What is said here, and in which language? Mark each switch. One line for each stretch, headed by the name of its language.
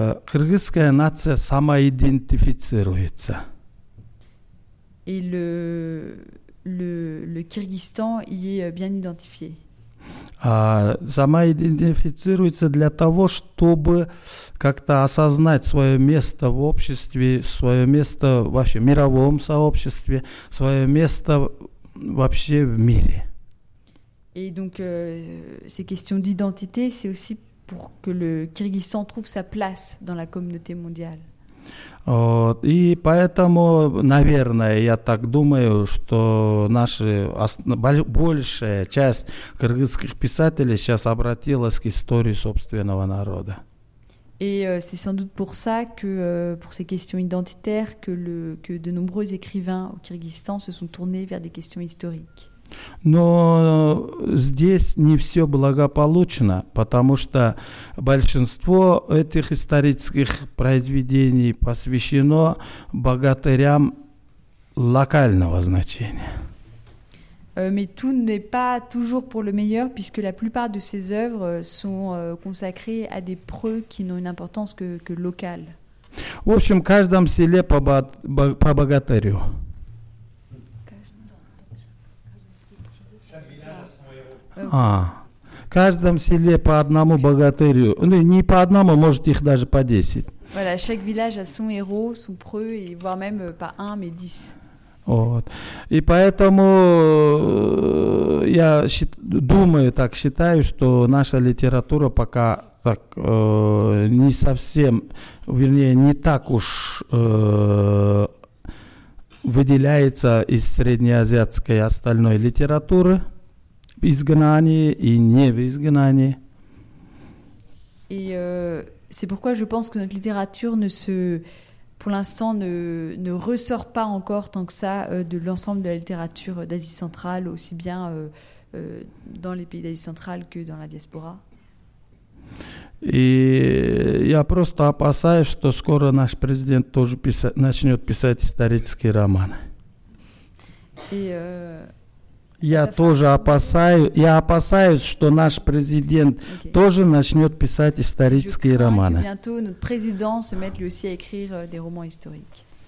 Russian: Кыргызская нация самоидентифицируется.
French: И le Kyrgyzstan y est bien identifié.
Russian: Самоидентифицируется для того, чтобы как-то осознать свое место в обществе, свое место вообще в мировом сообществе, свое место вообще в мире.
French: Et donc, ces questions d'identité, c'est aussi pour que le Kyrgyzstan trouve sa place dans la communauté mondiale.
Russian: Вот. И поэтому, наверное, я так думаю, что наша большая часть кыргызских писателей сейчас обратилась к истории собственного народа.
French: Et c'est sans doute pour ça que, pour ces questions identitaires, que de nombreux écrivains au Kyrgyzstan se sont tournés vers des questions historiques.
Russian: Но здесь не все благополучно, потому что большинство этих исторических произведений посвящено богатырям локального значения.
French: Mais tout n'est pas toujours pour le meilleur, puisque la plupart de ces œuvres sont consacrées à des preux qui n'ont une importance que locale.
Russian: В общем, в каждом селе по богатырю. А, в каждом селе по одному богатырю. Ну, не по одному, может их даже по 10.
French: Voilà, chaque village a son héros, son preux, et voire même pas un, mais 10.
Russian: Вот. И поэтому я думаю, так считаю, что наша литература пока так не совсем, вернее, не так уж выделяется из среднеазиатской и остальной литературы. В изгнании и не в изгнании.
French: И c'est pourquoi je pense que notre littérature ne se, pour l'instant, ne ressort pas encore tant que ça de l'ensemble de la littérature d'Asie centrale, aussi bien dans les pays d'Asie centrale que dans la diaspora.
Russian: И я просто опасаюсь, что скоро наш президент тоже начнет писать исторические романы. Я опасаюсь, что наш президент тоже начнет писать исторические романы.
French: Bientôt notre président se mette lui aussi à écrire des romans historiques.